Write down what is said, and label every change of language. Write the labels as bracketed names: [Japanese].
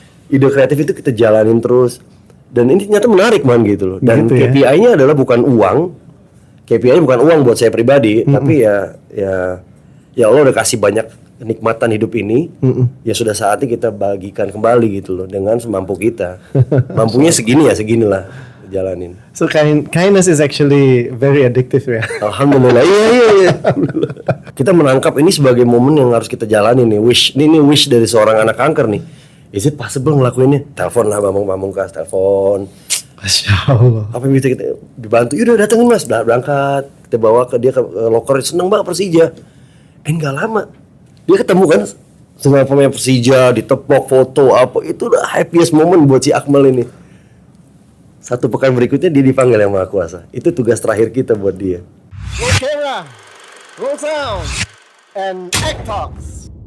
[Indonesian] Ide kreatif itu kita jalanin terus. Dan ini ternyata menarik man gitu loh. Dan gitu, KPI-nya ya? Adalah bukan uang. KPI-nya bukan uang buat saya pribadi, tapi ya Allah udah kasih banyak kenikmatan hidup ini. Ya sudah saatnya kita bagikan kembali gitu loh dengan semampu kita. Mampunya segini ya, seginilah jalanin. [English] So kindness is actually very addictive ya. [Indonesian] Alhamdulillah. Iya. Kita menangkap ini sebagai momen yang harus kita jalani nih. Wish ini wish dari seorang anak kanker nih. [English] Is it possible [Indonesian] ngelakuinnya? Telepon lah Mamungkas, telepon. Masya Allah. Apa yang bisa kita dibantu? Yaudah datengin mas, berangkat. Kita bawa ke dia ke loker, seneng banget Persija. Enggak lama, dia ketemu kan sama pemain Persija, ditepok foto apa. Itu udah [English] happiest moment [Indonesian] buat si Akmal ini. Satu pekan berikutnya dia dipanggil yang Maha Kuasa. Itu tugas terakhir kita buat dia. [English] Okay, Roll Sound and Act Talks.